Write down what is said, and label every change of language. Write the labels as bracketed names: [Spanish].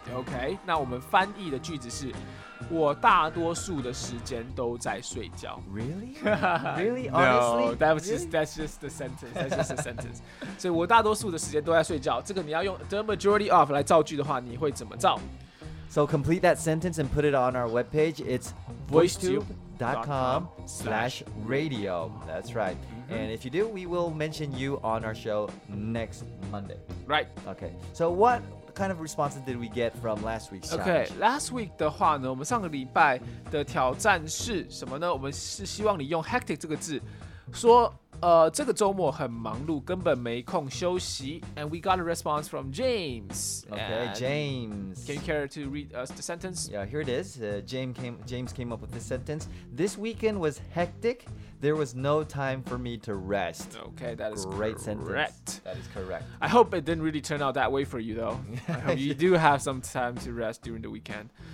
[English] Okay, [Chinese] 那我们翻译的句子是我大多数的时间都在睡觉。 [English] Really? Really? Honestly? No, that's just the sentence. That's just the sentence. [Chinese] 所以我大多数的时间都在睡觉。这个你要用 the majority of 来造句的话，你会怎么造？ [English] So complete that sentence and put it on our webpage. It's voicetube.com/radio. That's right. And if you do, we will mention you on our show next Monday. Right. Okay. So what kind of responses did we get from last week's challenge? Okay, last week [Chinese] 的话呢，我们上个礼拜的挑战是什么呢？我们是希望你用 hectic 这个字说这个周末很忙碌，根本没空休息。 [English] And we got a response from James. Okay, and James. Can you care to read us the sentence? Yeah, here it is. James came up with this sentence. This weekend was hectic. There was no time for me to rest. Okay, that is great correct. Sentence. That is correct. I hope it didn't really turn out that way for you, though. I hope you do have some time to rest during the weekend.